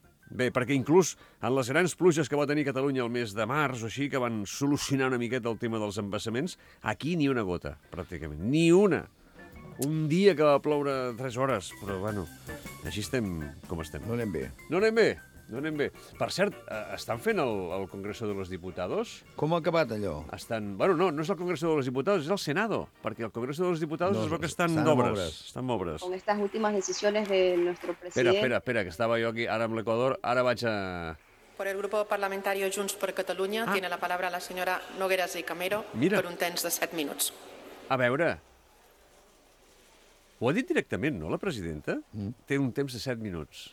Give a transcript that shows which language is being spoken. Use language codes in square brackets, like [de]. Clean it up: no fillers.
[ca] Bé, perquè inclús en les grans pluges que va tenir Catalunya el mes de març o així, que van solucionar una miqueta el tema dels embassaments, aquí ni una gota, pràcticament. Ni una. Un dia que va ploure 3 hores. Però, bueno, així estem com estem. No anem bé. No anem bé. No anem bé. Per cert, estan fent el Congreso de los Diputados. Com ha acabat allò? Estan... Bueno, no és el Congreso de los Diputados, és el Senado. Perquè el Congreso de los Diputados es veu que estan d'obres. Estan d'obres. [es] Con estas últimas decisiones de nuestro presidente... [ca] Espera, que estava jo aquí, ara amb l'Equador. Ara vaig a... [es] Por el Grupo Parlamentario Junts per Catalunya tiene la palabra la señora Nogueras de Camero [ca] per un temps de 7 minuts. A veure... Ho ha dit directament, no, la presidenta? Mm. Té un temps de 7 minuts.